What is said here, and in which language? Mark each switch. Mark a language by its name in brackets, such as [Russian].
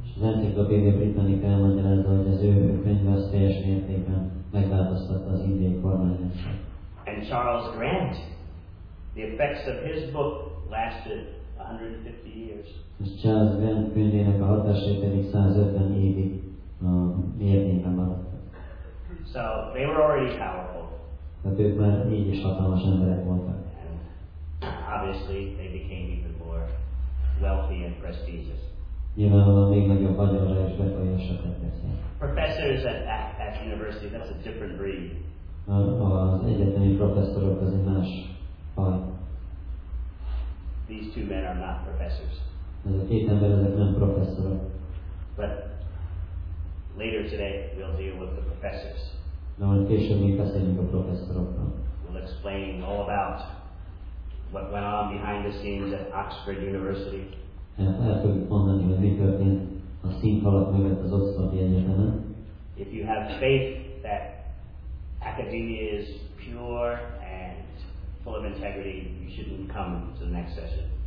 [Hungarian] Az Encyclopedia Britannica elmagyarázza, hogy az ő könyve az teljes mértékben megváltoztatta az indiai kormányzást. [English] And Charles Grant, the effects of his book lasted 150 years. [Hungarian] És Charles Grant könyvének a hatása pedig 150 évig érvényben maradt. [English] So they were already powerful. [Hungarian] Tehát ők már így is hatalmas emberek voltak. [English] Obviously they became even more wealthy and prestigious. [Hungarian] Nyilvánvalóan még nagyobb vagyonra és befolyásra tették. [English] Professors at university, that's a different breed. [Hungarian] Az egyetemi professzorok az egy más faj. [English] These two men are not professors. [Hungarian] Ez a két ember, ezek nem professzorok. [English] But later today we'll deal with the professors. [Hungarian] Na, majd később még beszélünk a professzorokról. [English] We'll explain all about what went on behind the scenes at Oxford University. [Hungarian] El fogjuk mondani, hogy mi történt a szint alatt mögött az Oxfordi Egyetemen. [English] If you have faith that academia is pure and full of integrity, you shouldn't come to the next session.